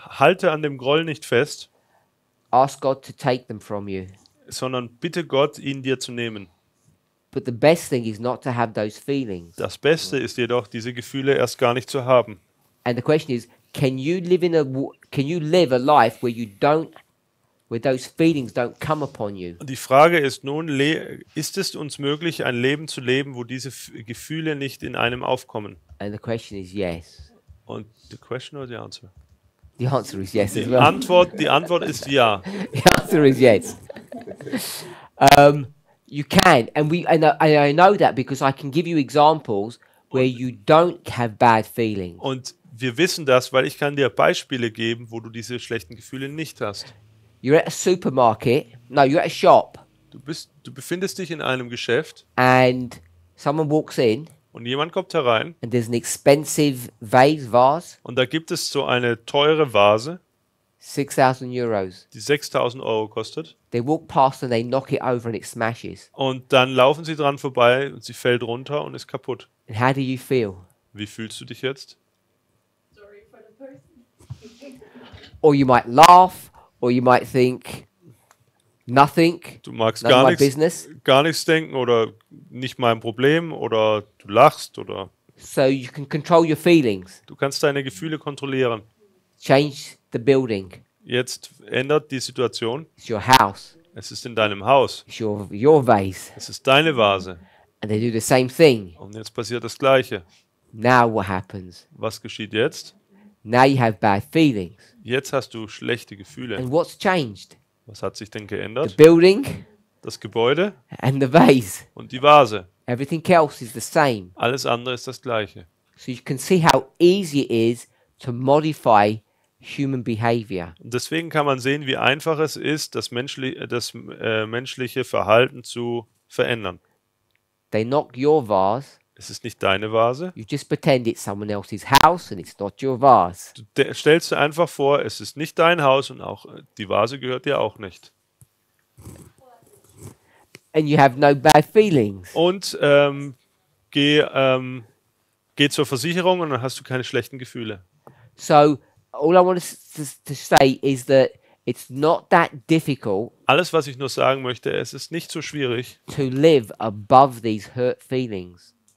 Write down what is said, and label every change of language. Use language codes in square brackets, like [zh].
[de] Halte an dem Groll nicht fest. [en] Ask God to take them from you. [de] Sondern bitte Gott, ihn dir zu nehmen. [en] But the best thing is not to have those feelings. [de] Das Beste ist jedoch, diese Gefühle erst gar nicht zu haben. [en] And the question is, can you live a life where you don't, where those feelings don't come upon you? [de] Die Frage ist nun, ist es uns möglich, ein Leben zu leben, wo diese Gefühle nicht in einem aufkommen? [en] And the question is yes. [de] Und [en] the question or the answer? The answer is yes. [de] Die Antwort ist ja. [en] The answer is yes. You can, and I know that because I can give you examples where you don't have bad feelings. [de] Und wir wissen das, weil ich kann dir Beispiele geben, wo du diese schlechten Gefühle nicht hast. [en] You're at a supermarket. No, you're at a shop. [de] Du befindest dich in einem Geschäft. [en] And someone walks in. [de] Und jemand kommt herein. [en] And there's an expensive vase. [de] Und da gibt es so eine teure Vase. [en] 6,000 euros. [de] Die 6,000 Euro kostet. [en] They walk past and they knock it over and it smashes. [de] Und dann laufen sie dran vorbei und sie fällt runter und ist kaputt. [en] And how do you feel? [de] Wie fühlst du dich jetzt? [en] Sorry for the person. Or you might laugh, or you might think nothing. [de] Du magst gar nichts. [en] Business. [de] Gar nichts denken oder nicht mein Problem oder du lachst oder. [en] So you can control your feelings. [de] Du kannst deine Gefühle kontrollieren. [en] Change the building. [de] Jetzt ändert die Situation. [en] It's your house. [de] Es ist in deinem Haus. [en] It's your vase. [de] Es ist deine Vase. [en] And they do the same thing. [de] Und jetzt passiert das Gleiche. [en] Now what happens? [de] Was geschieht jetzt? [en] Now you have bad feelings. [de] Jetzt hast du schlechte Gefühle. [en] And what's changed? [de] Was hat sich denn geändert? [en] The building. [de] Das Gebäude. [en] And the vase. [de] Und die Vase. [en] Everything else is the same. [de] Alles andere ist das Gleiche. [en] So you can see how easy it is to modify human behavior. [de] Deswegen kann man sehen, wie einfach es ist, das menschliche Verhalten zu verändern. [en] They knock your vase. [de] Es ist nicht deine Vase. [en] You just pretend it's someone else's house and it's not your vase. [de] Stellst du einfach vor, es ist nicht dein Haus und auch die Vase gehört dir auch nicht. [en] And you have no bad feelings. [de] Und geh zur Versicherung und dann hast du keine schlechten Gefühle. [en] So all I want to say is that it's not that difficult. [de] Alles, was ich nur sagen möchte, es ist nicht so schwierig. [en] To live above these hurt feelings.